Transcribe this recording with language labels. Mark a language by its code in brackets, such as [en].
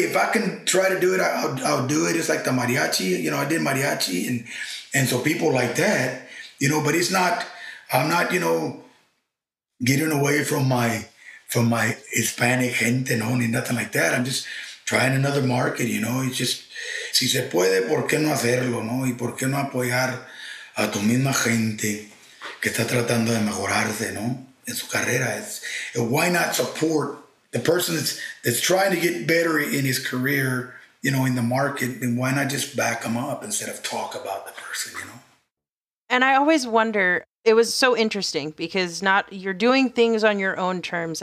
[en] If I can try to do it, I'll do it. It's like the mariachi, you know, I did mariachi, and so people like that, you know, but I'm not, you know, getting away from my Hispanic gente, no, ni nothing like that. I'm just trying another market, you know? It's just, [es] si se puede, ¿por qué no hacerlo, no? Y por qué no apoyar a tu misma gente que está tratando de mejorarse, no? En su carrera. [en] Why not support the person that's trying to get better in his career, you know, in the market? Then why not just back them up instead of talk about the person, you know? And I always wonder, it was so interesting because you're doing things on your own terms.